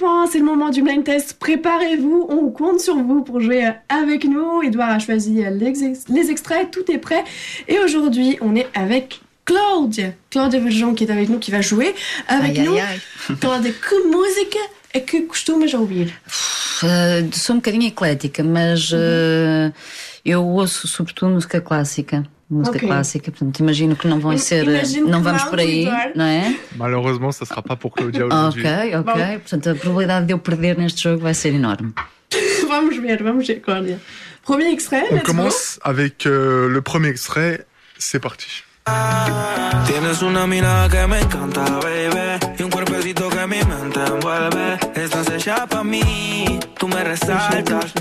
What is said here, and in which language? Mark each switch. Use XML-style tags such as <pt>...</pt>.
<fr>C'est le moment du blind test. Préparez-vous, on compte sur vous pour jouer avec nous. Edouard a choisi les extraits, tout est prêt. Et aujourd'hui, on est avec Claude. Claude Valjean qui est avec nous, qui va jouer avec nous. Claude, que musique et que costumes j'ai oublié?</fr> <pt>Sou um bocadinho eclética, mas eu ouço sobretudo música clássica. Música clássica, portanto, imagino que não vão ser. Não vamos por aí, não é?</pt> <fr>Malheureusement, ça sera pas pour Claudia aujourd'hui.</fr> <pt>Ok, ok. Bom. Portanto, a probabilidade de eu perder neste jogo vai ser enorme. vamos ver, Claudia.</pt> <fr>Premier extrait, on commence avec le premier extrait, c'est parti.</fr> <es>Tienes una mirada que me encanta, baby. Y un cuerpecito que mi mente envuelve. Estás hecha pa' mí, tú me resaltas.</es>